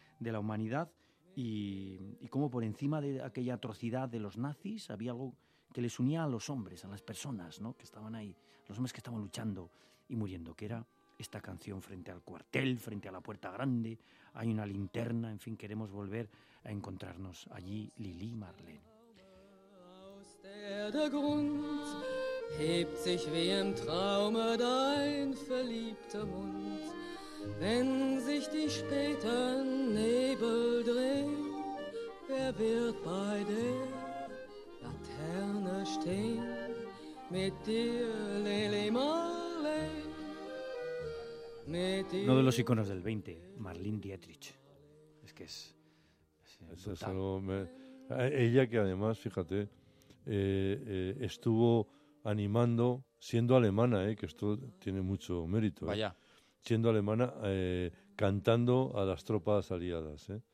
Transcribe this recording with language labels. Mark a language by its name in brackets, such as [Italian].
[Spanish] de la humanidad y cómo por encima de aquella atrocidad de los nazis había algo que les unía a los hombres, a las personas, ¿no?, que estaban ahí, los hombres que estaban luchando y muriendo, que era esta canción frente al cuartel, frente a la puerta grande, hay una linterna, en fin, queremos volver a encontrarnos allí, Lili Marlene. [German] Der Grund hebt sich wie im Traume dein verliebter Mund, wenn sich die späten Nebel drehen, wer wird bei der Laterne stehen mit dir, Lili Marlene? [Spanish] Uno de los iconos del 20, Marlene Dietrich. Es que es algo, ella que además, fíjate, estuvo animando, siendo alemana, que esto tiene mucho mérito. Vaya. Siendo alemana, cantando a las tropas aliadas.